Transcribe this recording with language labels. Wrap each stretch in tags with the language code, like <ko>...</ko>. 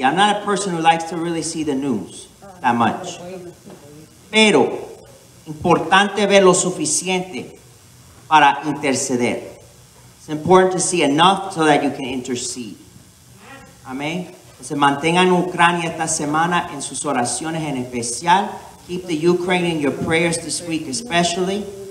<en>I'm not a person who likes to really see the news that much.</en> <es>Pero, importante ver lo suficiente para interceder.</es> <en>It's important to see enough so that you can intercede.</en> <es>Amén. Entonces mantengan Ucrania esta semana en sus oraciones en especial.</es> <en>Keep the Ukraine in your prayers this week especially.</en>